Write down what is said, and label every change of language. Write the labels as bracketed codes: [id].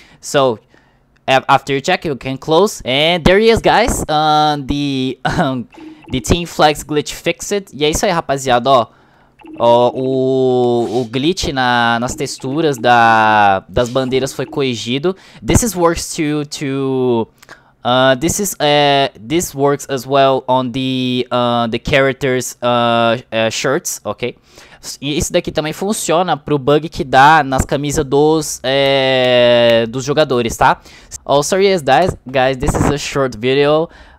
[en] So after you check, you can close. And there he is, guys. The team flex glitch fixed. [pt] E é isso aí, rapaziada. O glitch nas texturas das bandeiras foi corrigido. [en] This is works to this works as well on the characters shirts, okay? [pt] Isso daqui também funciona pro bug que dá nas camisas dos jogadores, tá? [en] Oh, sorry guys, this is a short video.